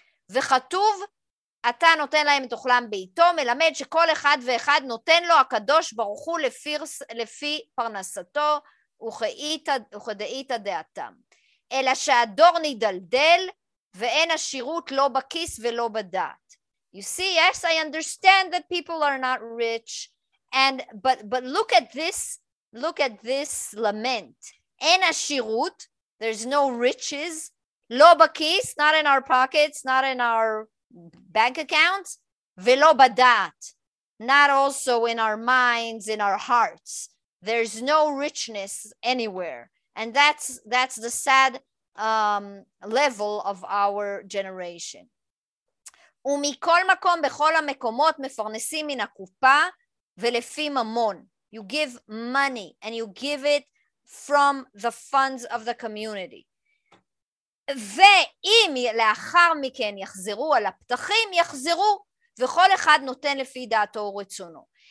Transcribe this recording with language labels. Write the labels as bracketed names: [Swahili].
[Hebrew] וכתוב, אתה נותן להם את אוכלם ביתו, מלמד שכל אחד ואחד נותן לו הקדוש ברוך הוא לפי פרנסתו, וכדאית דעתם. אלא שהדור נדלדל, ואין השירות לא בכיס ולא בדעת. [English] You see, yes, I understand that people are not rich, and but look at this lament. [Hebrew] אין השירות, [English] there's no riches, [Hebrew] לא בכיס, [English] not in our pockets, not in our bank accounts, [Hebrew] ולא בדעת, [English] not also in our minds, in our hearts. There's no richness anywhere. And that's the sad level of our generation. [Hebrew] ומכל מקום, בכל המקומות, מפרנסים מן הקופה ולפי ממון. [English] You give money and you give it from the funds of the community. [Hebrew] ואם לאחר מכן יחזרו על הפתחים, יחזרו, וכל אחד נותן לפי דעתו ורצונו.